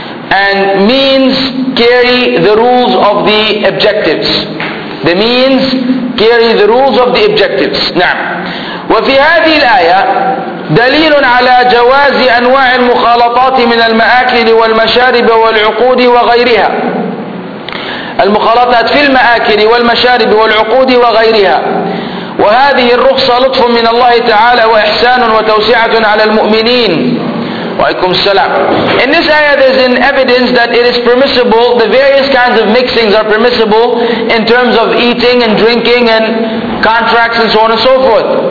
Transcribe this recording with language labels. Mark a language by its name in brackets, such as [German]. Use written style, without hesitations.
[English] And means carry the rules of the objectives. The means carry the rules of the objectives. [Arabic] نعم. وفي هذه الآية دليل على جواز أنواع المخالطات من المآكل والمشارب والعقود وغيرها. المخالطات في المآكل والمشارب والعقود وغيرها. وهذه الرخصة لطف من الله تعالى وإحسان وتوسعة على المؤمنين. Waikum salam. [English] In this ayah, there's an evidence that it is permissible, the various kinds of mixings are permissible in terms of eating and drinking and contracts and so on and so forth.